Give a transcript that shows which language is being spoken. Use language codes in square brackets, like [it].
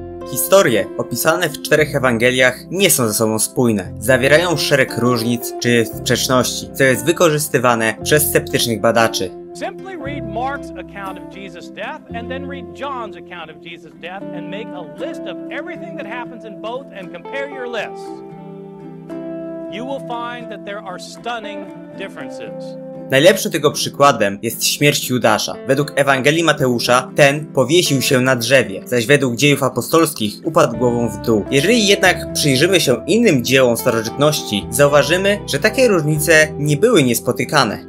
[pl] Historie opisane w czterech Ewangeliach nie są ze sobą spójne. Zawierają szereg różnic czy sprzeczności, co jest wykorzystywane przez sceptycznych badaczy. [en] Simply read Mark's account of Jesus' death and then read John's account of Jesus' death and make a list of everything that happens in both and compare your lists. You will find that there are stunning differences. [pl] Najlepszym tego przykładem jest śmierć Judasza. Według Ewangelii Mateusza ten powiesił się na drzewie, zaś według Dziejów Apostolskich upadł głową w dół. Jeżeli jednak przyjrzymy się innym dziełom starożytności, zauważymy, że takie różnice nie były niespotykane.